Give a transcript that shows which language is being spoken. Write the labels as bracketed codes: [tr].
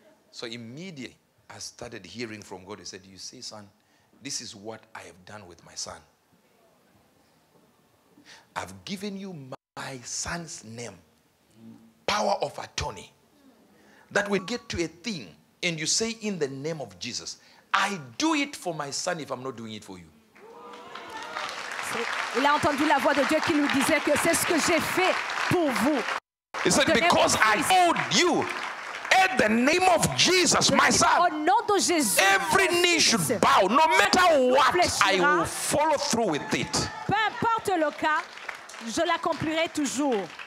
[en] So immediately, I started hearing from God. He said, you see, son, this is what I have done with my son. I've given you my son's name, power of attorney, that will get to a thing and you say in the name of Jesus, I do it for my son if I'm not doing it for you. [fr] Il a entendu la voix de Dieu qui nous disait que c'est ce que j'ai fait pour vous. [en] He said, because I told you, in the name of Jesus, my son, every knee should bow, no matter what, I will follow through with it. [fr] Peu importe le cas, je l'accomplirai toujours.